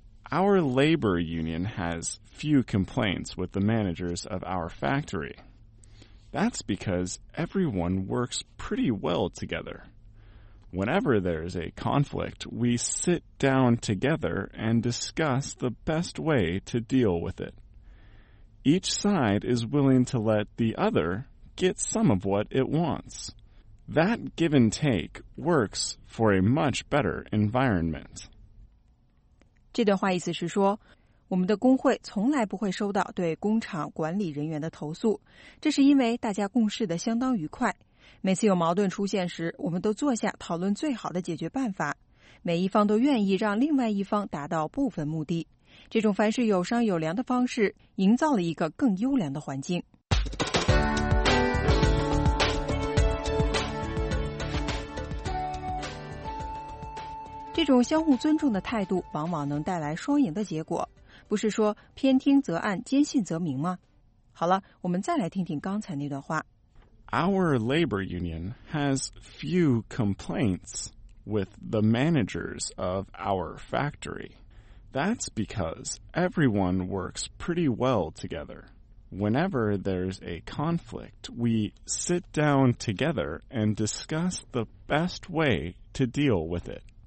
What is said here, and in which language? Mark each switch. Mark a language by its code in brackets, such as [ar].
[en] Our labor union has few complaints with the managers of our factory. That's because everyone works pretty well together. Whenever there's a conflict, we sit down together and discuss the best way to deal with it. Each side is willing to let the other get some of what it wants. That give and take works for a much better environment. [zh] 这段话意思是说，我们的工会从来不会收到对工厂管理人员的投诉，这是因为大家共事的相当愉快。每次有矛盾出现时，我们都坐下讨论最好的解决办法，每一方都愿意让另外一方达到部分目的。这种凡事有商有量的方式，营造了一个更优良的环境。这种相互尊重的态度往往能带来双赢的结果，不是说偏听则暗，坚信则明吗？好了，我们再来听听刚才那段话。 [en] Our labor union has few complaints with the managers of our factory. That's because everyone works pretty well together. Whenever there's a conflict, we sit down together and discuss the best way to deal with it.